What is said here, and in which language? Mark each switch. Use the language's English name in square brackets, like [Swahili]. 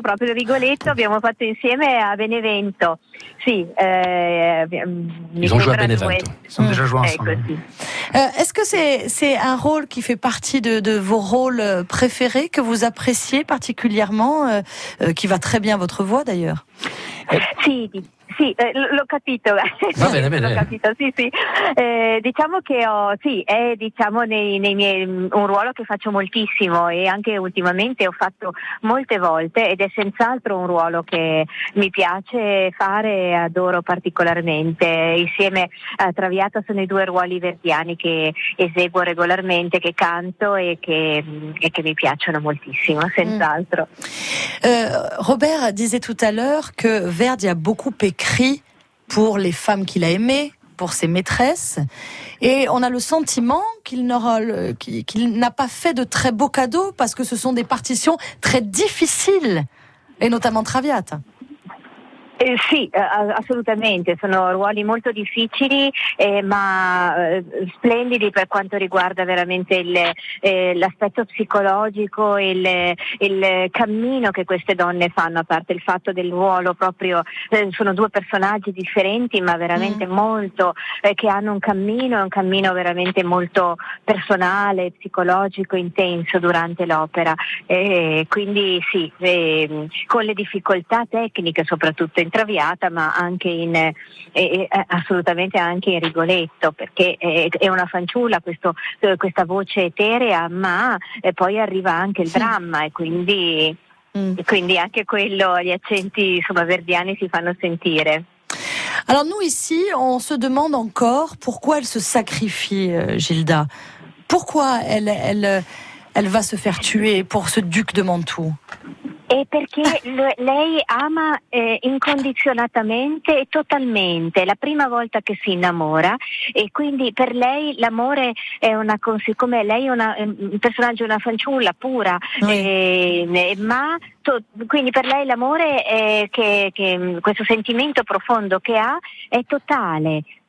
[Italian] proprio Rigoletto abbiamo fatto insieme a Benevento. Sì, [French] ils ont joué à Benevento. [Italian] Sono [French] déjà joué ensemble. Est-ce que c'est un rôle qui fait partie de vos rôles préférés, que vous appréciez particulièrement, qui va très bien votre voix d'ailleurs? [Italian] Sì, l'ho capito. Va bene, bene. L'ho capito, sì. Diciamo che è nei miei un ruolo che faccio moltissimo e anche ultimamente ho fatto molte volte ed è senz'altro un ruolo che mi piace fare e adoro particolarmente. Insieme a Traviata sono i due ruoli verdiani che eseguo regolarmente, che canto e che mi piacciono moltissimo, senz'altro. Robert disait tout à l'heure que Verdi a beaucoup écrit pour les femmes qu'il a aimées, pour ses maîtresses, et on a le sentiment qu'il n'a pas fait de très beaux cadeaux parce que ce sont des partitions très difficiles, et notamment Traviata. Assolutamente, sono ruoli molto difficili ma splendidi per quanto riguarda veramente l'aspetto psicologico e il cammino che queste donne fanno, a parte il fatto del ruolo proprio, sono due personaggi differenti ma veramente molto che hanno un cammino veramente molto personale, psicologico, intenso durante l'opera, quindi sì, con le difficoltà tecniche soprattutto in Traviata, ma anche in assolutamente anche in Rigoletto, perché è una fanciulla questa voce eterea, ma poi arriva anche il dramma e quindi anche quello, gli accenti insomma verdiani si fanno sentire. [French] Alors nous ici on se demande encore pourquoi elle se sacrifie, Gilda, pourquoi elle va se faire tuer pour ce duc de Mantoue. [Italian] È perché lei ama incondizionatamente e totalmente, è la prima volta che si innamora e quindi per lei l'amore è una cosa, come lei è un personaggio, una fanciulla pura, quindi per lei l'amore è che questo sentimento profondo che ha è totale